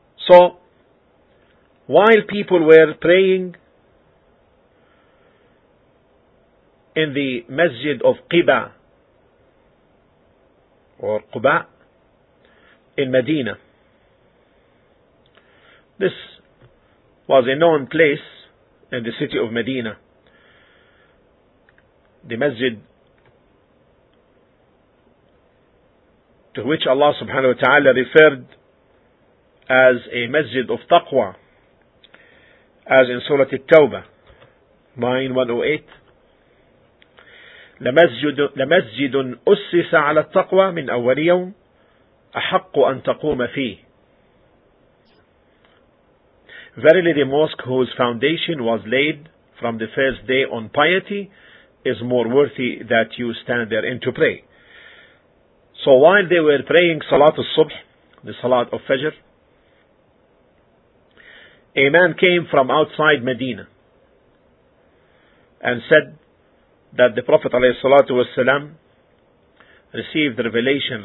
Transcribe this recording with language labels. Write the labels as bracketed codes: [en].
[en] So, while people were praying in the Masjid of Qiba or Quba in Medina, this was a known place in the city of Medina, the Masjid to which Allah subhanahu wa ta'ala referred as a Masjid of Taqwa, as in Surah At-Tawbah 9:108. [ar] لمسجد أسس على التقوى من أول يوم أحق أن تقوم فيه. [en] Verily the mosque whose foundation was laid from the first day on piety is more worthy that you stand therein to pray. So while they were praying Salat al-Subh, the Salat of Fajr, a man came from outside Medina and said that the Prophet ﷺ received revelation.